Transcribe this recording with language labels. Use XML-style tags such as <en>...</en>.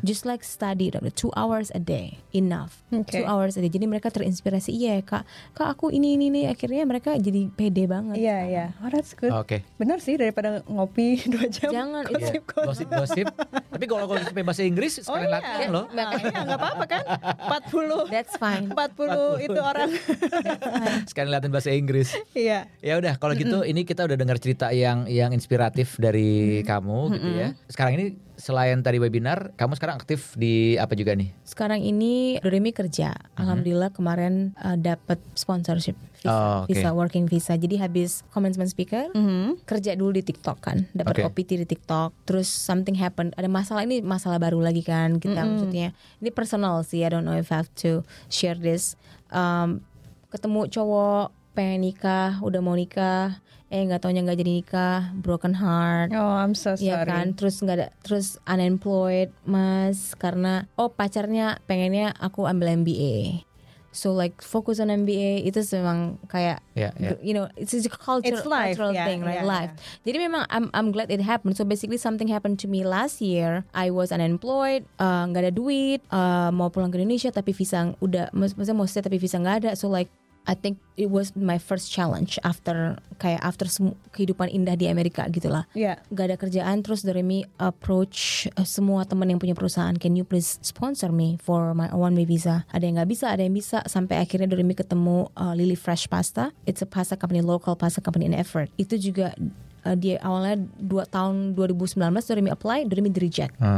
<en>Just like study, 2 hours a day enough. Okay. 2 hours a day.</en> <id>Jadi mereka terinspirasi. Iya, kak aku ini akhirnya mereka jadi pede banget.</id> <en>Iya, yeah, iya. Yeah. Oh, that's good. Okay.</en> <id>Benar sih daripada ngopi 2 jam. Jangan gosip-gosip. Tapi kalau gosip bahasa Inggris sekalian latihan loh. Makanya enggak apa-apa kan? 40.</id> <en>That's fine.</en> <id>40 itu orang. Sekalian latihan bahasa Inggris. Iya. Yeah. Ya udah kalau gitu ini kita udah dengar cerita yang inspiratif dari kamu gitu ya. Sekarang ini selain tadi webinar, kamu sekarang aktif di apa juga nih? Sekarang ini Doremi kerja. Alhamdulillah kemarin dapat sponsorship visa, visa, working visa. Jadi habis commencement speaker, kerja dulu di TikTok kan. Dapat OPT di TikTok.</id> <en>Terus something happened.</en> <id>Ada masalah, ini masalah baru lagi kan kita maksudnya. Ini personal sih,</id> <en>I don't know if I have to share this.</en> <id>Ketemu cowok pengen nikah, udah mau nikah, nggak taunya nggak jadi nikah, broken heart.</id> <en>Oh, I'm so sorry.</en> <id>Ya kan, terus nggak ada, terus unemployed mas, karena pacarnya pengennya aku ambil MBA,</id> <en>so like focus on MBA</en> <id>itu memang kayak</id> <en>you know, it's a cultural thing, right?</en> <id>Jadi memang</id> <en>I'm glad it happened. So basically something happened to me last year. I was unemployed,</en> <id>nggak ada duit, mau pulang ke Indonesia tapi visa udah, maksudnya mau stay tapi visa nggak ada,</id> <en>so like I think it was my first challenge after</en> <id>kayak after kehidupan indah di Amerika gitulah.</id> <en>Yeah.</en> <id>Gak ada kerjaan, terus Doremi approach semua teman yang punya perusahaan,</id> <en>can you please sponsor me for my one way visa?</en> <id>Ada yang gak bisa, ada yang bisa, sampai akhirnya Doremi ketemu Lily Fresh Pasta.</id> <en>It's a pasta company, local pasta company in effort.</en> <id>Itu juga dia awalnya tahun 2019 Doremi apply, Doremi di reject.</id>